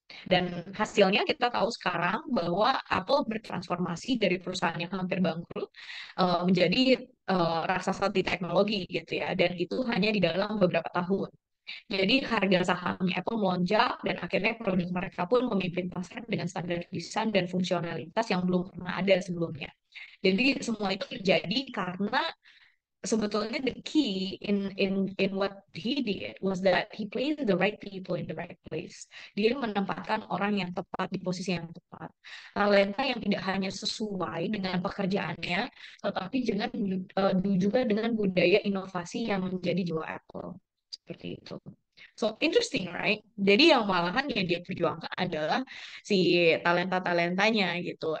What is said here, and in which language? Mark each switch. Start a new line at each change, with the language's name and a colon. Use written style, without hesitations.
Indonesian: Dan hasilnya kita tahu sekarang bahwa Apple bertransformasi dari perusahaan yang hampir bangkrut menjadi raksasa di teknologi gitu ya, dan itu hanya di dalam beberapa tahun. Jadi harga saham Apple melonjak dan akhirnya produk mereka pun memimpin pasar dengan standar desain dan fungsionalitas yang belum pernah ada sebelumnya. Jadi semua itu terjadi karena sebetulnya
English: the key in what he did was that he placed the right people in the right place.
Indonesian: Dia menempatkan orang yang tepat di posisi yang tepat. Talenta yang tidak hanya sesuai dengan pekerjaannya, tetapi dengan juga dengan budaya inovasi yang menjadi jiwa Apple. Seperti itu.
English: So interesting, right?
Indonesian: Jadi yang malahan yang dia perjuangkan adalah si talenta-talentanya gitu.